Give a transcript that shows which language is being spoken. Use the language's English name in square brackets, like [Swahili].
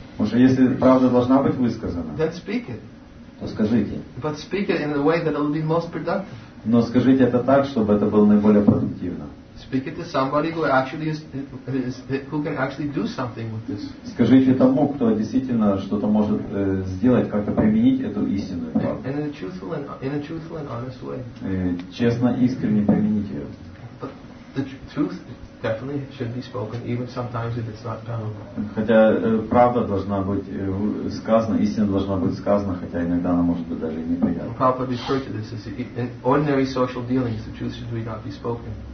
[Russian] потому что если правда должна быть высказана, [English] then speak it. [Russian] То скажите. [English] But speak it in a way that it will be most productive. [Russian] Но скажите это так, чтобы это было наиболее продуктивно. [English] Speak it to somebody who actually is who can actually do something with this. [Russian] Скажите тому, кто действительно что-то может сделать, как-то применить эту истину. [English] In a truthful and honest way. [Russian] Честно, искренне применить ее. [English] But the truth definitely should be spoken, even sometimes if it's not palatable. [Russian] Хотя правда должна быть сказана, истина должна быть сказана, хотя иногда она может быть даже неприятна. [English] Prabhupada referred to this as in ordinary social dealings, the truth should not be spoken.